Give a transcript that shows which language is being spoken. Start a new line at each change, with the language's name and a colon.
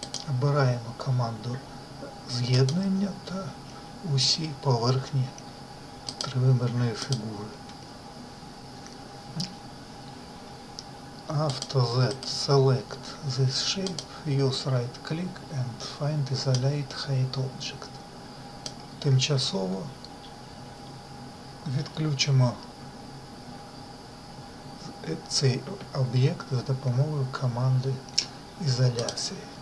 Ukrainian: Обираємо команду з'єднання та усі поверхні тривимірної фігури.
English: After that, select this shape, use right click and find isolate height object.
Ukrainian: Тимчасово відключимо цей об'єкт за допомогою команди ізоляції.